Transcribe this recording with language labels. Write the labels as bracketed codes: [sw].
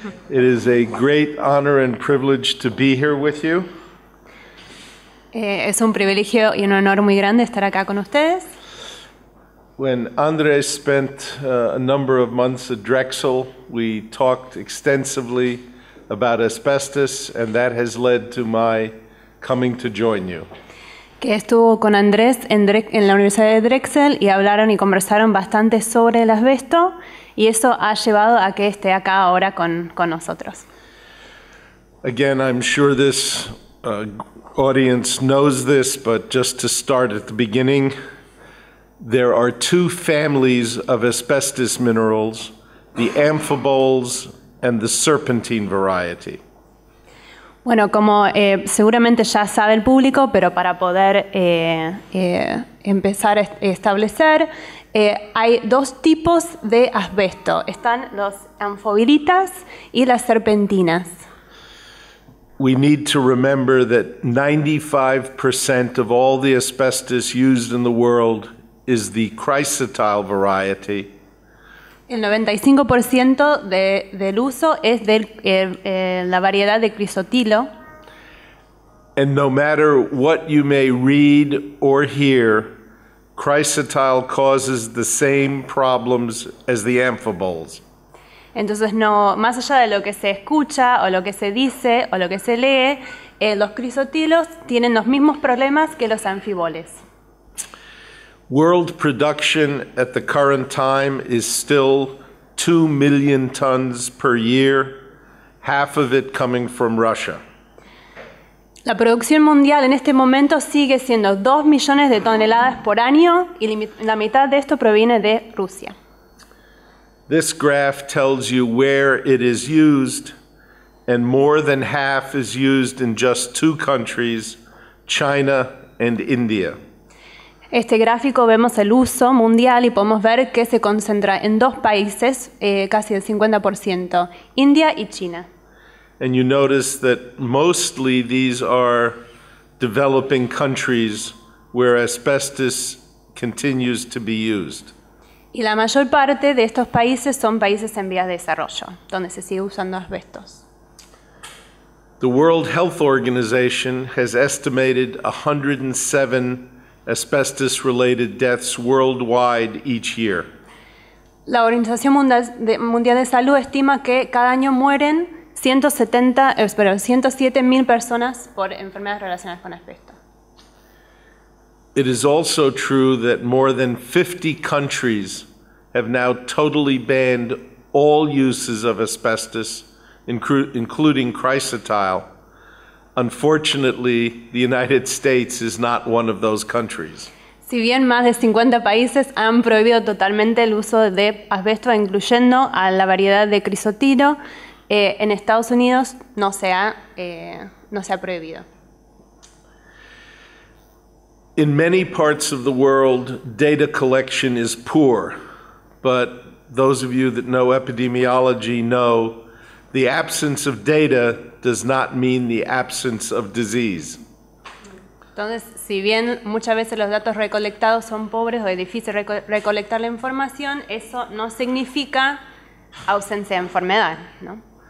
[en] It is a great honor and privilege to be here with you. [es] Es un privilegio y un honor muy grande estar acá con ustedes. [en] When Andrés spent a number of months at Drexel, we talked extensively about asbestos, and that has led to my coming to join you. [es] Que estuvo con Andrés en la Universidad de Drexel y hablaron y conversaron bastante sobre el asbesto, y eso ha llevado a que esté acá ahora con nosotros. [en] Again, I'm sure this audience knows this, but just to start at the beginning, there are two families of asbestos minerals, the amphiboles and the serpentine variety. [es] Bueno, como seguramente ya sabe el público, pero para poder empezar a establecer, hay dos tipos de asbesto. Están los amfibolitas y las serpentinas. [en] We need to remember that 95% of all the asbestos used in the world is the chrysotile variety. [es] El 95% del uso es de la variedad de crisotilo. [en] And no matter what you may read or hear, chrysotile causes the same problems as the amphiboles. [es] Entonces, no, más allá de lo que se escucha, o lo que se dice, o lo que se lee, los crisotilos tienen los mismos problemas que los anfiboles. [en] World production at the current time is still 2 million tons per year, half of it coming from Russia. [es] La producción mundial en este momento sigue siendo 2 millones de toneladas por año, y la mitad de esto proviene de Rusia. [en] This graph tells you where it is used, and more than half is used in just 2 countries, China and India. [es] Este gráfico vemos el uso mundial y podemos ver que se concentra en 2 países, casi el 50%, India y China. [en] And you notice that mostly these are developing countries where asbestos continues to be used. [es] Y la mayor parte de estos países son países en vías de desarrollo, donde se sigue usando asbestos. [en] The World Health Organization has estimated 107 asbestos-related deaths worldwide each year. [es] La Organización Mundial de Salud estima que cada año mueren 107,000 personas por enfermedades relacionadas con asbestos. [en] It is also true that more than 50 countries have now totally banned all uses of asbestos, including chrysotile. Unfortunately, the United States is not one of those countries. [es] Si bien más de 50 países han prohibido totalmente el uso de asbesto, incluyendo a la variedad de crisotilo, en Estados Unidos no se ha prohibido. [en] In many parts of the world, data collection is poor. But those of you that know epidemiology know the absence of data does not mean the absence of disease. [es] Entonces, si bien muchas veces los datos recolectados son pobres o es difícil recolectar la información, eso no significa ausencia de enfermedad, ¿no?